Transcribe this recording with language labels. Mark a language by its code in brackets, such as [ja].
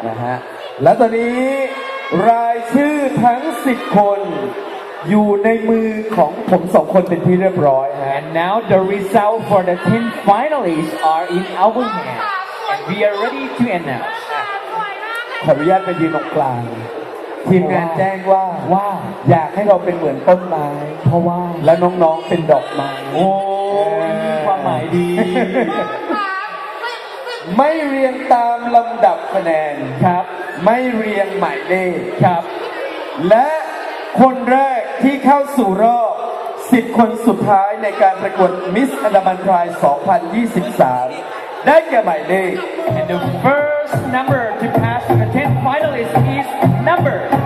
[th] นะฮะและตอนนี้รายชื่อทั้ง10คนอยู่ในมือของผม2คนเป็นที่เรียบร้อยฮะ [en] And now the result for the 10 finalists are in our hand. And we are ready to announce. [th] ขออนุญาตไปยืนตรงกลางทีมงานแจ้งว่า ว่า อยากให้เราเป็นเหมือนต้นไม้ เพราะว่า แล้วน้องๆเป็นดอกไม้โอ้ความหมายดี ไม่เรียงตามลำดับคะแนน ครับ ไม่เรียงหมายเลข ครับ และคนแรกที่เข้าสู่รอบ10คนสุดท้ายในการประกวดมิสอันดามันไทร2023ได้แก่หมายเลข [en] And the first number to pass the 10th finalist is number